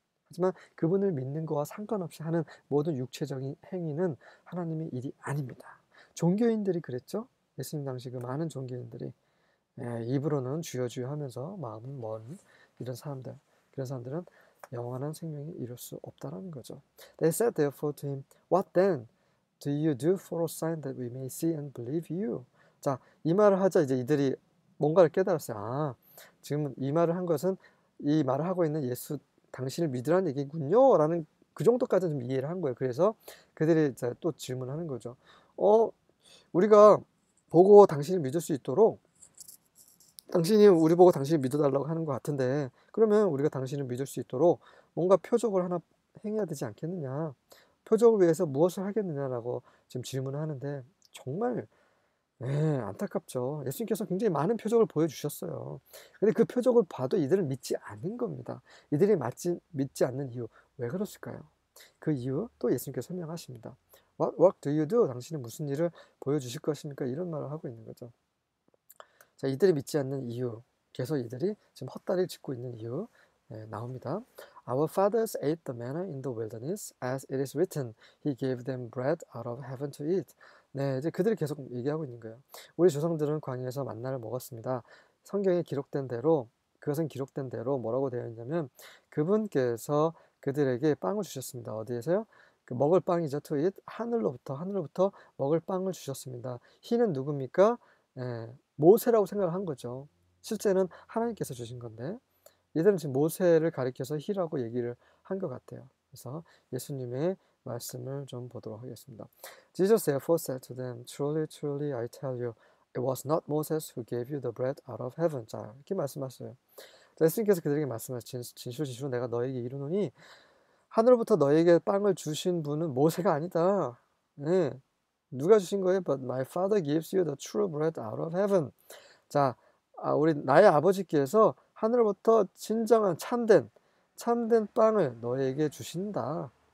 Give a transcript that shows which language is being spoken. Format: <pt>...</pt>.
<ko>하지만 그분을 믿는 것과 상관없이 하는 모든 육체적인 행위는 하나님의 일이 아닙니다. 종교인들이 그랬죠? 예수님 당시 그 많은 종교인들이 입으로는 주여 주여 하면서 마음은 먼 이런 사람들, 그런 사람들은 영원한 생명이 이룰 수 없다라는 거죠.</ko> <en>They said therefore to him, What then do you do for a sign that we may see and believe you?</en> <ko>자, 이 말을 하자 이제 이들이 뭔가를 깨달았어요. 아, 지금 이 말을 한 것은 이 말을 하고 있는 예수 당신을 믿으라는 얘기군요 라는 그 정도까지는 좀 이해를 한 거예요. 그래서 그들이 또 질문을 하는 거죠. 우리가 보고 당신을 믿을 수 있도록, 당신이 우리 보고 당신을 믿어달라고 하는 것 같은데, 그러면 우리가 당신을 믿을 수 있도록 뭔가 표적을 하나 행해야 되지 않겠느냐, 표적을 위해서 무엇을 하겠느냐라고 지금 질문을 하는데, 정말 안타깝죠. 예수님께서 굉장히 많은 표적을 보여주셨어요. 근데 그 표적을 봐도 이들은 믿지 않는 겁니다. 이들이 믿지 않는 이유, 왜 그랬을까요? 그 이유 또 예수님께서 설명하십니다.</ko> <en>What work do you do?</en> <ko>당신은 무슨 일을 보여주실 것입니까? 이런 말을 하고 있는 거죠. 자, 이들이 믿지 않는 이유, 계속 이들이 지금 헛다리를 짚고 있는 이유, 나옵니다.</ko> <en>Our fathers ate the manna in the wilderness, as it is written, He gave them bread out of heaven to eat.</en> <ko>네, 이제 그들이 계속 얘기하고 있는 거예요. 우리 조상들은 광야에서 만나를 먹었습니다. 성경에 기록된 대로, 그것은 기록된 대로 뭐라고 되어 있냐면, 그분께서 그들에게 빵을 주셨습니다. 어디에서요? 그 먹을 빵이죠.</ko> <en>To eat.</en> <ko>하늘로부터 먹을 빵을 주셨습니다. He는 누굽니까? 모세라고 생각을 한 거죠. 실제는 하나님께서 주신 건데, 이들은 지금 모세를 가리켜서 히라고 얘기를 한것 같아요. 그래서 예수님의 말씀을 좀 보도록 하겠습니다.</ko> <en>Jesus therefore said to them, Truly, truly, I tell you, it was not Moses who gave you the bread out of heaven.</en> <ko>자, 이렇게 말씀하세요. 자, 예수님께서 그들에게 말씀하시죠. 진실로 내가 너에게 이르노니, 하늘로부터 너에게 빵을 주신 분은 모세가 아니다. 네. 누가 주신 거예요?</ko> <en>But my father gives you the true bread out of heaven. 자,</en> <ko>우리 나의 아버지께서 하늘부터 진정한 참된 빵을 너에게 주신다.</ko>